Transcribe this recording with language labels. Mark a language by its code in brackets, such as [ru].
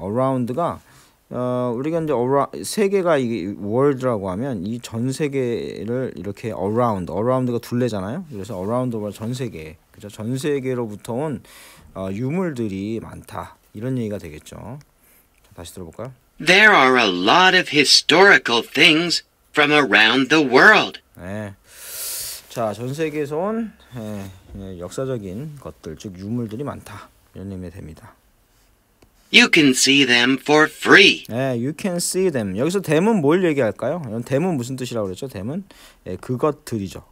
[ko] around가 우리가 이제 세계가 이 world라고 하면 이 전 세계를 이렇게 around가 둘레잖아요. 그래서 around 전 세계, 그죠? 전 세계로부터 온 유물들이 많다 이런 얘기가 되겠죠. 자, 다시 들어볼까요? [en] There are a lot of historical things from around the world. [ko] 네, 자, 전 세계에서 온 역사적인 것들, 즉 유물들이 많다 이런 의미가 됩니다. [en] You can see them for free. [ko] 네, [en] you can see them. [ko] 여기서 them은 뭘 얘기할까요? 이건 them은 무슨 뜻이라고 그랬죠? them은 네, 그것들이죠.